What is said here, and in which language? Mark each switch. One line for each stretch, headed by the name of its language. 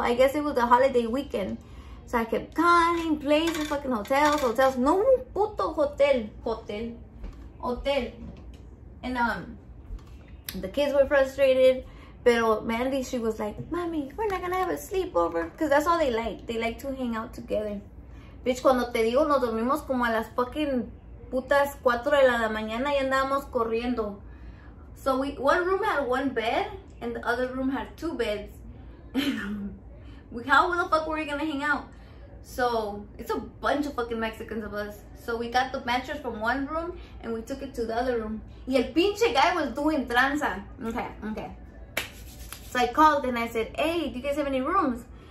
English: I guess it was a holiday weekend. So I kept calling places, fucking hotels.
Spanish: No puto hotel.
English: And the kids were frustrated. But Mandy, she was like, mami, we're not gonna have a sleepover. Because that's all they like. They like to hang out together. Bitch,
Spanish: cuando te digo, nos dormimos como a las
English: fucking
Spanish: putas 4 de la mañana y andábamos corriendo.
English: So we one room had one bed and the other room had two beds. How the fuck were we gonna hang out? So it's a bunch of fucking Mexicans of us. So we got the mattress from one room and we took it to the other room.
Spanish: Y el pinche
English: guy was doing tranza. Okay. So I called and I said, hey, do you guys have any rooms?